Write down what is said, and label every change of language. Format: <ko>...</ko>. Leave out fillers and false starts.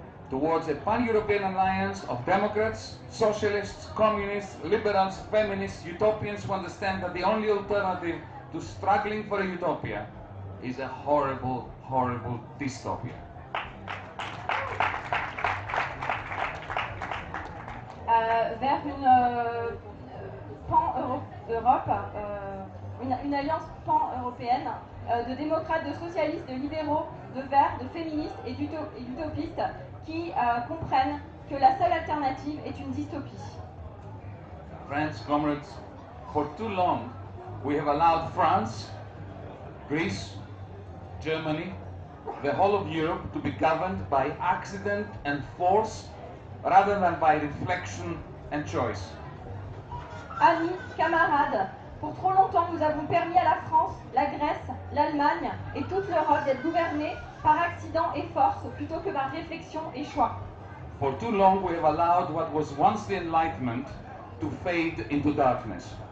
<en>Towards a pan-European alliance of democrats, socialists, communists, liberals, feminists, utopians who understand that the only alternative to struggling for a utopia is a horrible, horrible dystopia.</en> <fr>Vers une alliance pan-européenne de démocrates, de socialistes, de libéraux, de verts, de féministes et d'utopistes qui comprennent que la seule alternative est une dystopie.</fr> <en>Friends, comrades, for too long, we have allowed France, Greece, Germany, the whole of Europe to be governed by accident and force rather than by reflection and choice.</en> <fr>Amis, camarades, pour trop longtemps, nous avons permis à la France, la Grèce, l'Allemagne et toute l'Europe d'être gouvernées par accident et force plutôt que par réflexion et choix.</fr> <en>For too long we have allowed what was once the Enlightenment to fade into darkness.</en>